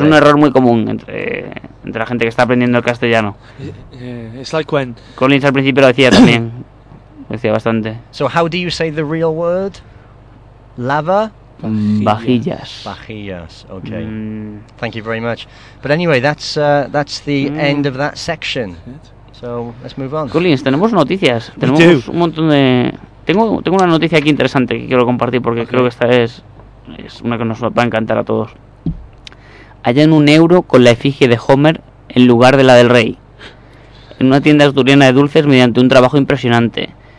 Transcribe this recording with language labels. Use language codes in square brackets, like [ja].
[es] Es un error muy común entre la gente que está aprendiendo el castellano. [en] It's like when [es] Collins al principio lo decía también. Lo decía bastante. [en] So how do you say the real word? [es] Lava vajillas. [en] Vajillas. Okay. Mm. Thank you very much. But anyway, that's the end of that section. So let's move on. [es] Collins, tenemos noticias. Tenemos un montón de tengo una noticia aquí interesante que quiero compartir porque creo que esta es una que nos va a encantar a todos. Hallan un euro con la efigie de Homer en lugar de la del rey en una tienda asturiana de dulces mediante un trabajo impresionante.